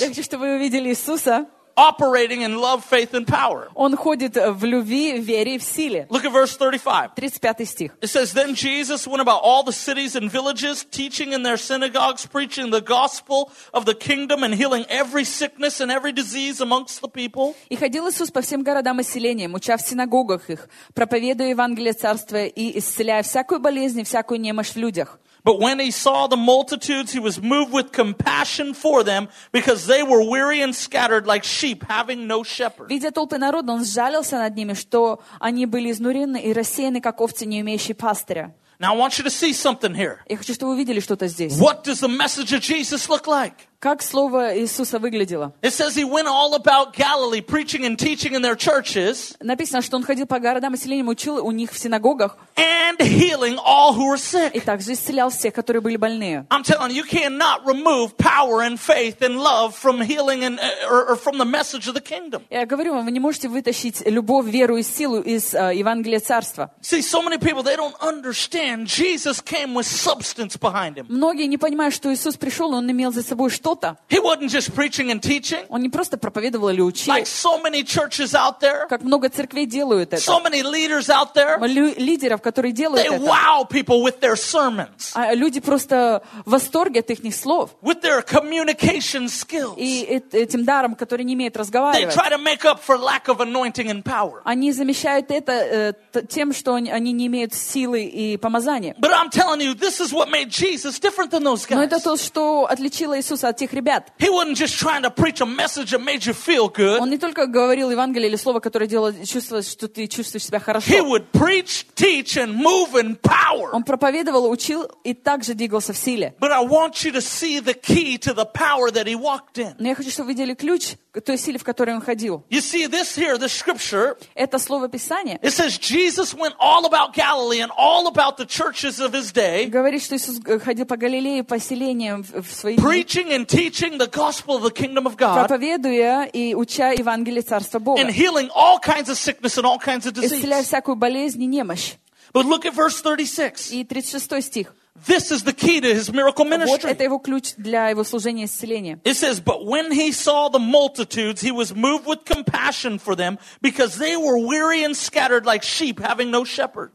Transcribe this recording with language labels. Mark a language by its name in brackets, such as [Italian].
[Russian] Я хочу, чтобы вы увидели Иисуса. [English] Operating in love, faith, and power. [Russian] Он ходит в любви, вере и в силе. [English] Look at verse 35. [Russian] 35 стих. [English] It says, "Then Jesus went about all the cities and villages, teaching in their synagogues, preaching the gospel of the kingdom, and healing every sickness and every disease amongst the people." [Russian] И ходил Иисус по всем городам и селениям, уча в синагогах их, проповедуя Евангелие Царства и исцеляя всякую болезнь и всякую немощь в людях. [English] But when he saw the multitudes, he was moved with compassion for them, because they were weary and scattered like sheep, having no shepherd. [Russian] Видя толпы народа, он сжалился над ними, что они были изнурены и рассеяны, как овцы, не имеющие пастыря. [English] Now I want you to see something here. [Russian] Я хочу, чтобы вы видели что-то здесь. [English] What does the message of Jesus look like? [Russian] Как слово Иисуса выглядело? [English] It says he went all about Galilee, preaching and teaching in their churches. [Russian] Написано, что он ходил по городам и селениям, учил у них в синагогах. [English] And healing all who were sick. [Russian] И также исцелял всех, которые были больные. [English] I'm telling you, you cannot remove power and faith and love from healing and or from the message of the kingdom. [Russian] Я говорю вам, вы не можете вытащить любовь, веру и силу из Евангелия Царства. [English] See, so many people, they don't understand Jesus came with substance behind him. [Russian] Многие не понимают, что Иисус пришел, и он имел за собой что-то. [English] He wasn't just preaching and teaching. [Russian] Он не просто проповедовал или учил. [English] Like so many churches out there. [Russian] Как много церквей делают это. [English] So many leaders out there. [Russian] Лидеров, которые делают [English] they [Russian] это. [English] They wow people with their sermons. [Russian] А люди просто в восторге от их слов. [English] With their communication skills. [Russian] И этим даром, который не имеет разговаривать. [English] They try to make up for lack of anointing and power. [Russian] Они замещают это тем, что они не имеют силы и помазания. [English] But I'm telling you, this is what made Jesus different than those guys. [Russian] Но это то, что отличило Иисуса. [English] He wasn't just trying to preach a message that made you feel good. [Russian] Он не только говорил Евангелие или слово, которое делало чувствовать, что ты чувствуешь себя хорошо. [English] He would preach, teach, and move in power. [Russian] Он проповедовал, учил и также двигался в силе. [English] But I want you to see the key to the power that he walked in. [Russian] Но я хочу, чтобы вы видели ключ к той силе, в которой он ходил. [English] You see this here, the scripture. [Russian] Это слово Писания. [English] It says Jesus went all about Galilee and all about the churches of his day. [Russian] Говорит, что Иисус ходил по Галилее, по селениям в свои дни. [English] Preaching and teaching the gospel of the kingdom of God. [Russian] Проповедуя и уча Евангелие Царства Бога. [English] And healing all kinds of sickness and all kinds of disease. [Russian] Исцеляя всякую болезнь и немощь. [English] But look at verse 36. [Russian] И 36 стих. [English] This is the key to his miracle ministry. [Russian] Вот это его ключ для его служения исцеления. [English] It says, but when he saw the multitudes, he was moved with compassion for them, because they were weary and scattered like sheep, having no shepherd.